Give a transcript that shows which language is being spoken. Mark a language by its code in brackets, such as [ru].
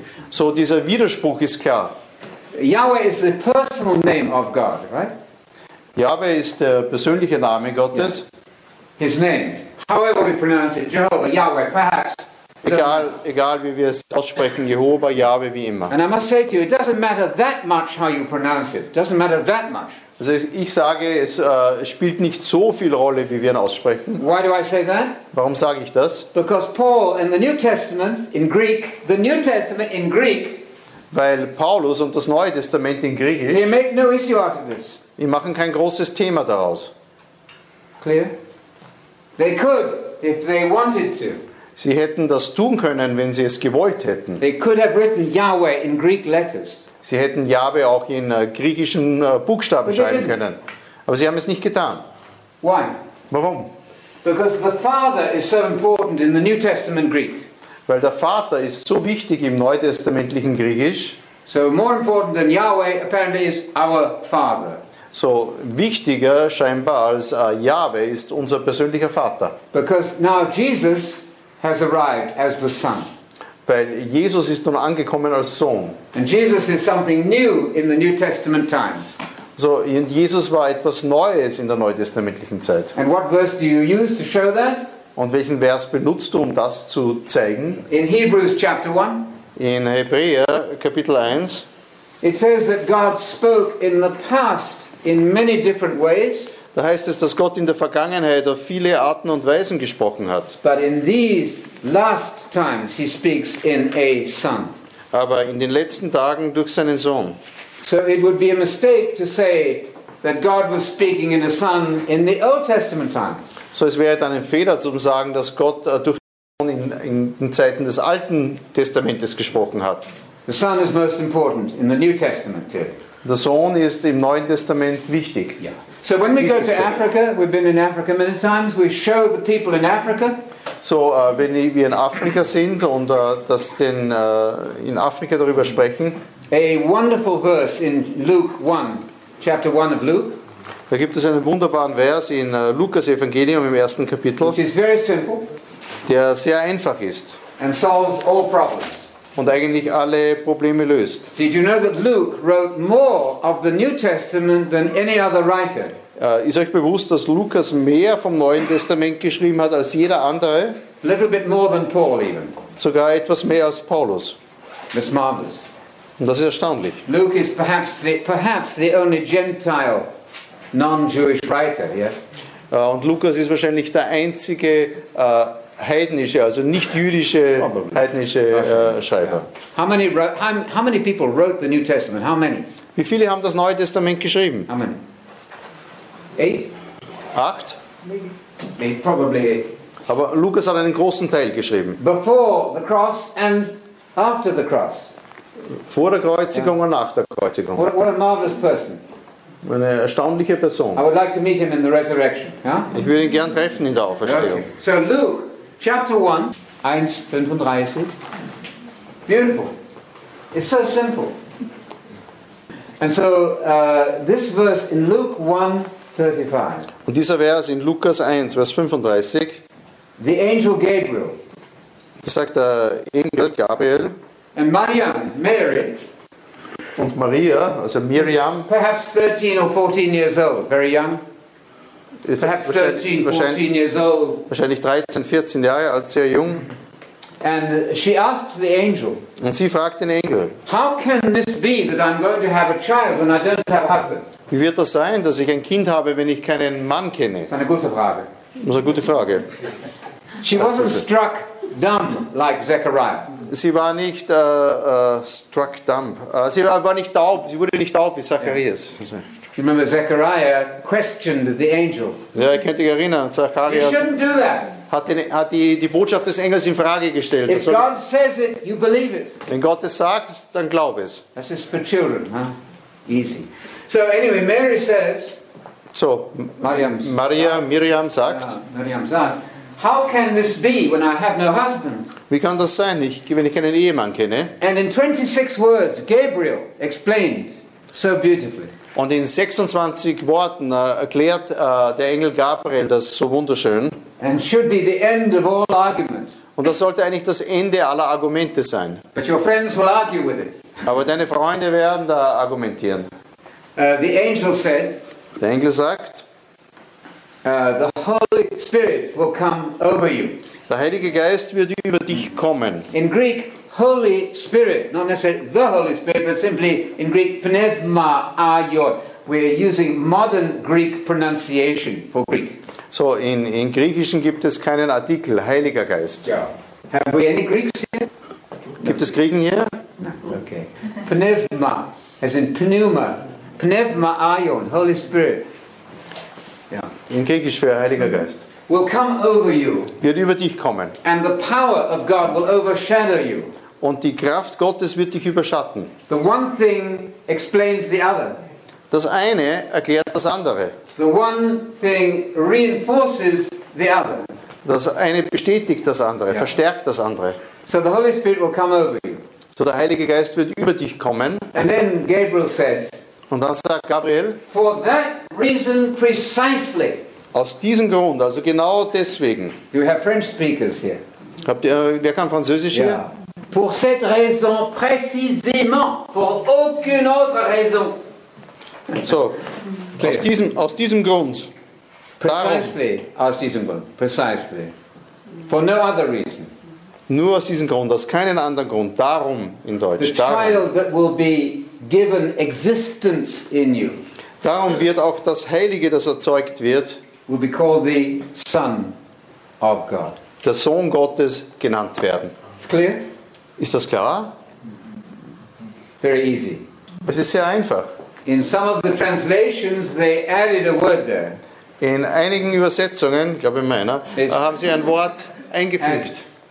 [de] So dieser Widerspruch ist klar. [en] Yahweh is the personal name of God, right? [de] Yahweh ist der persönliche Name Gottes. [en] Yes. His name. However we pronounce it, Jehovah, Yahweh, perhaps. [de] Egal wie wir es aussprechen, Jehovah, Yahweh, wie immer. [en] And I must say to you, it doesn't matter that much how you pronounce it. It doesn't matter that much. [de] Also ich sage, es spielt nicht so viel Rolle, wie wir ihn aussprechen. [en] Why do I say that? [de] Warum sage ich das? [en] Because Paul in the New Testament in Greek, the New Testament in Greek. [de] Weil Paulus und das Neue Testament in Griechisch. [en] They make no issue out of this. [de] Wir machen kein großes Thema daraus. [en] Clear? They could if they wanted to. [de] Sie hätten das tun können, wenn sie es gewollt hätten. [en] They could have written Yahweh in Greek letters. [de] Sie hätten Jahwe auch in griechischen Buchstaben schreiben können. Aber sie haben es nicht getan. [en] Why? [de] Warum? [en] Because the Father is so important in the New Testament Greek. [de] Weil der Vater ist so wichtig im neutestamentlichen Griechisch. [en] So more important than Yahweh apparently is our Father. [de] So wichtiger scheinbar als Yahweh ist unser persönlicher Vater. [en] Because now Jesus has arrived as the Son. [de] Weil Jesus ist nun angekommen als Sohn. [en] And Jesus is something new in the New Testament times. [de] So, und Jesus war etwas Neues in der neutestamentlichen Zeit. [en] And what verse do you use to show that? [de] Und welchen Vers benutzt du, um das zu zeigen? [en] In Hebrews chapter 1. [de] In Hebräer Kapitel 1. [en] It says that God spoke in the past in many different ways. [de] Da heißt es, dass Gott in der Vergangenheit auf viele Arten und Weisen gesprochen hat. [en] But in these last times he speaks in a son. [de] Aber in den letzten Tagen durch seinen Sohn. [en] So it would be a mistake to say that God was speaking in a son in the Old Testament time. [de] So es wäre dann ein Fehler zu sagen, dass Gott durch den Sohn in den Zeiten des Alten Testamentes gesprochen hat. [en] The son is most important in the New Testament too. [de] Der Sohn ist im Neuen Testament wichtig. [en] Yeah. So when we go to Africa, we've been in Africa many times, we show the people in Africa. [de] So wenn wir in Afrika sind und das den in Afrika darüber sprechen. [en] A wonderful verse in Luke 1, chapter 1 of Luke. [de] Da gibt es einen wunderbaren Vers in Lukas Evangelium im ersten Kapitel. [en] Which is very simple. [de] Der sehr einfach ist. [en] And solves all problems. [de] Und eigentlich alle Probleme löst. [en] Did you know that Luke wrote more of the New Testament than any other writer? [de] Ist euch bewusst, dass Lukas mehr vom Neuen Testament geschrieben hat als jeder andere? [en] A little bit more than Paul even. [de] Sogar etwas mehr als Paulus. [en] It's marvelous. [de] Und das ist erstaunlich. [en] Luke is perhaps the only Gentile non-Jewish writer, yeah? [de] Und Lukas ist wahrscheinlich der einzige heidnische, also nicht jüdische heidnische Schreiber. [en] How many people wrote the New Testament? How many? [de] Wie viele haben das Neue Testament geschrieben? [en] How many? Eight? [de] Acht? [en] Maybe. Probably eight. [de] Aber Lukas hat einen großen Teil geschrieben. [en] Before the cross and after the cross. [de] Vor der Kreuzigung und nach der Kreuzigung. [en] What a marvelous person. [de] Eine erstaunliche Person. [en] I would like to meet him in the resurrection. Huh? [de] Ich würde ihn gern treffen in der Auferstehung. [en] Okay. So Luke. Chapter 1:35. Beautiful. It's so simple. And so this verse in Luke 1:35. [de] Und dieser Vers in Lukas 1, Vers 35. [en] The angel Gabriel. [de] Das sagt der Engel Gabriel. [en] And Miriam, Mary. [de] Und Maria, also Miriam. [en] Perhaps 13 or 14 years old, very young. Perhaps 13, 14 years old. [de] Wahrscheinlich 13, 14 Jahre alt, sehr jung. [en] And she asked the angel. [de] Und sie fragt den Engel. [en] How can this be that I'm going to have a child when I don't have a husband? [de] Wie wird das sein, dass ich ein Kind habe, wenn ich keinen Mann kenne? Das ist eine gute Frage. Das ist eine gute Frage. [en] She wasn't struck dumb like Zechariah. [de] Sie war nicht [en] struck dumb. [de] Sie war nicht taub. Sie wurde nicht taub wie Zacharias. [en] Yeah. You remember Zechariah questioned the angel. [de] Ja, ich könnte mich erinnern. Zacharias hat die Botschaft des Engels in Frage gestellt. [en] If God says it, you believe it. [de] Wenn Gott es sagt, dann glaub es. [en] That's just for children, huh? Easy. So anyway, Mary says. [de] So, Miriam sagt. Ja, Miriam sagt. [en] How can this be when I have no husband? [de] Wie kann das sein, wenn ich keinen Ehemann kenne? [en] And in 26 words, Gabriel explained so beautifully. [de] Und in 26 Worten erklärt der Engel Gabriel das so wunderschön. [en] And should be the end of all argument. [de] Und das sollte eigentlich das Ende aller Argumente sein. [en] But your friends will argue with it. [de] Aber deine Freunde werden da argumentieren. [en] The angel said, [de] der Engel sagt, [en] The Holy Spirit will come over you. [de] Der Heilige Geist wird über dich kommen. [en] In Greek, Holy Spirit, not necessarily the Holy Spirit, but simply in Greek, Pneuma Agion. We're using modern Greek pronunciation for Greek. [de] So, in Griechischen gibt es keinen Artikel, Heiliger Geist. [en] Yeah. Have we any Greeks here? [de] Gibt es Griechen hier? [en] No. Okay. Pneuma, as in Pneuma. Pneuma Agion, Holy Spirit. Yeah. [de] In Griechisch für Heiliger Geist. [en] Will come over you. [de] Wird über dich kommen. [en] And the power of God will overshadow you. [de] und die Kraft Gottes wird dich überschatten. [en] The one thing explains the other. [de] Das eine erklärt das andere. [en] The one thing reinforces the other. [de] Das eine bestätigt das andere, [en] yeah. [de] Verstärkt das andere. [en] So the Holy Spirit will come over you. [de] So der Heilige Geist wird über dich kommen. [en] And then Gabriel said, [de] und dann sagt Gabriel, [en] for that reason precisely, [de] aus diesem Grund, also genau deswegen, [en] do you have French speakers here? [de] Habt ihr, wer kann Französisch hier? [fr] Pour cette raison précisément, pour aucune autre raison. [de] So, aus diesem Grund. [en] Precisely, [de] darum, aus diesem Grund. [en] Precisely. For no other reason. [de] Nur aus diesem Grund, aus keinen anderen Grund. Darum in Deutsch. [en] The [de] darum. [en] Child that will be given existence in you. [de] Darum wird auch das Heilige, das erzeugt wird, [en] will be called the Son of God. [de] Der Sohn Gottes genannt werden. [en] It's clear? [de] Ist das klar? [en] Very easy. [de] Es ist sehr einfach. [en] In some of the translations they added a word there. [de] In einigen Übersetzungen, ich glaube in meiner, haben sie ein Wort eingefügt.